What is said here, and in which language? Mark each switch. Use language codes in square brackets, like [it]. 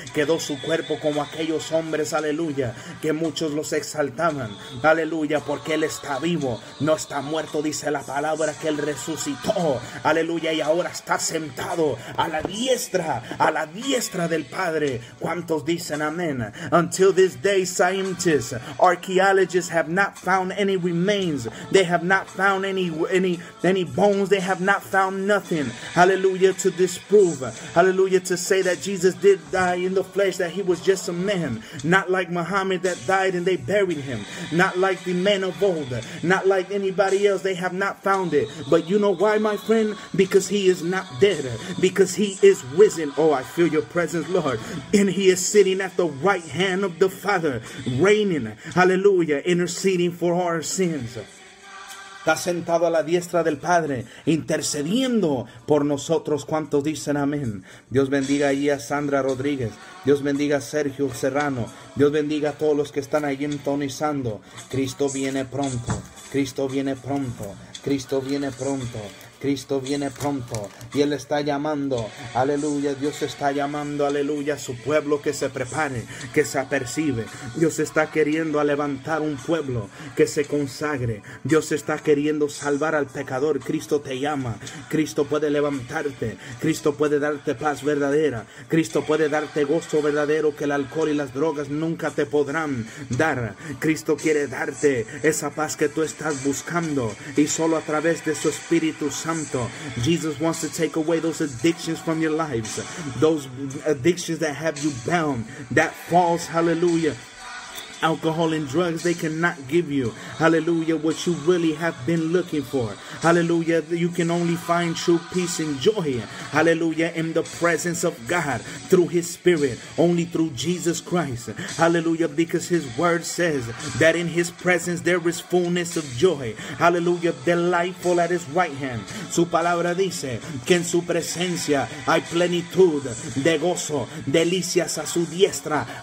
[es] Quedó su cuerpo como aquellos hombres, aleluya, que muchos los exaltaban, aleluya, porque él está vivo, no está muerto, dice la palabra, que él resucitó, aleluya, y ahora está sentado a la diestra del Padre. ¿Cuántos dicen amén? [en] Until this day, scientists, archaeologists have not found any remains, they have not found any bones, they have not found nothing, aleluya, to disprove, aleluya, to say that Jesus did die in the flesh, that he was just a man, not like Muhammad that died and they buried him, not like the men of old, not like anybody else, they have not found it. But you know why, my friend? Because he is not dead, because he is risen. Oh, I feel your presence, Lord. And he is sitting at the right hand of the Father, reigning, hallelujah, interceding for our sins. [es] Está sentado a la diestra del Padre, intercediendo por nosotros. ¿Cuántos dicen amén? Dios bendiga ahí a Sandra Rodríguez. Dios bendiga a Sergio Serrano. Dios bendiga a todos los que están ahí entonizando. Cristo viene pronto. Cristo viene pronto. Cristo viene pronto. Cristo viene pronto y Él está llamando, aleluya, Dios está llamando, aleluya, a su pueblo que se prepare, que se apercibe. Dios está queriendo levantar un pueblo que se consagre. Dios está queriendo salvar al pecador. Cristo te llama, Cristo puede levantarte, Cristo puede darte paz verdadera, Cristo puede darte gozo verdadero que el alcohol y las drogas nunca te podrán dar. Cristo quiere darte esa paz que tú estás buscando y solo a través de su Espíritu Santo. [en] Jesus wants to take away those addictions from your lives, those addictions that have you bound, that false, hallelujah, alcohol and drugs, they cannot give you, hallelujah, what you really have been looking for, hallelujah. You can only find true peace and joy, hallelujah, in the presence of God through His Spirit, only through Jesus Christ, hallelujah, because His Word says that in His presence there is fullness of joy, hallelujah, delightful at His right hand. [es] Su palabra dice que en su presencia hay plenitud de gozo, delicias a su diestra.